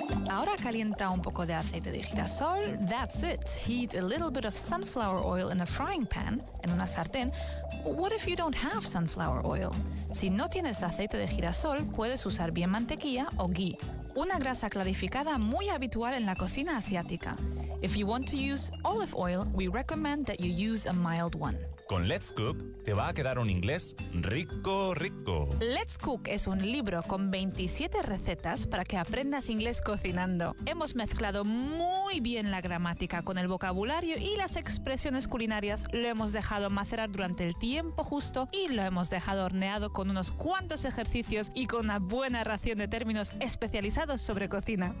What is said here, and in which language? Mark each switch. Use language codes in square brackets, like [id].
[es] Ahora calienta un poco de aceite de girasol. [en] That's it. Heat a little bit of sunflower oil in a frying pan, [es] en una sartén. [en] What if you don't have sunflower oil? [es] Si no tienes aceite de girasol, puedes usar bien mantequilla o ghee, una grasa clarificada muy habitual en la cocina asiática. [en] If you want to use olive oil, we recommend that you use a mild one. [es] Con Let's Cook te va a quedar un inglés rico, rico. Let's Cook es un libro con 27 recetas para que aprendas inglés cocinando. Hemos mezclado muy bien la gramática con el vocabulario y las expresiones culinarias. Lo hemos dejado macerar durante el tiempo justo y lo hemos dejado horneado con unos cuantos ejercicios y con una buena ración de términos especializados sobre cocina.